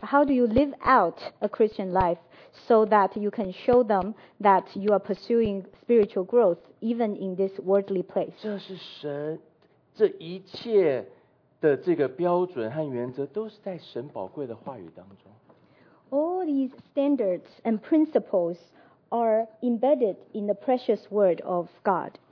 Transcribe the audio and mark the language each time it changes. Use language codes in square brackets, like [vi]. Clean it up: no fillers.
[en] How do you live out a Christian life so that you can show them that you are pursuing spiritual growth even in this worldly place. [zh] 这是神，这一切的这个标准和原则都是在神宝贵的话语当中。 [en] All these standards and principles are embedded in the precious word of God.